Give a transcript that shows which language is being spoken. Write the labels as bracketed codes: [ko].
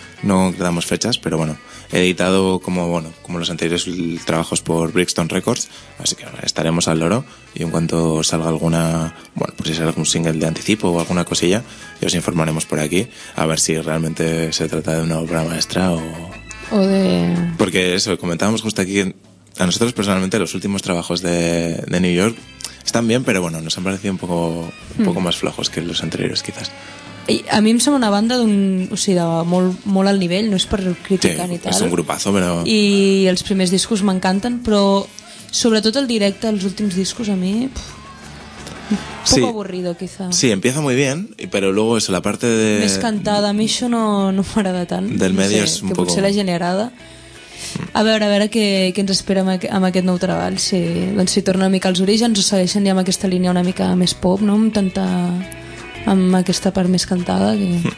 [es] No damos fechas, pero bueno, editado como, bueno, como los anteriores trabajos por Brixton Records, así que estaremos al loro y en cuanto salga alguna, bueno, pues si sale algún single de anticipo o alguna cosilla, ya os informaremos por aquí a ver si realmente se trata de una obra maestra o de... Porque eso, comentábamos justo aquí, a nosotros personalmente los últimos trabajos de New York están bien, pero bueno, nos han parecido un poco más flojos que los anteriores quizás. [ca] A mi em sembla una banda d'un, o sigui, de molt al nivell, no és per criticar, sí, ni tal. És un grupazo, però... I els primers discos m'encanten, però sobretot el directe, els últims discos, a mi... [es] Poco aburrido, quizá. Sí, empieza muy bien, pero luego eso, la parte de... [ca] Més cantada, a mi això no m'agrada tant. [es] Del medio no sé, [ca] és un que [es] poco... [ca] Que potser l'ha generada. A veure què ens espera amb aquest nou treball. Sí, doncs si torna una mica als orígens o segueixen ja amb aquesta línia una mica més pop, no? Amb tanta... amb aquesta part més cantada que...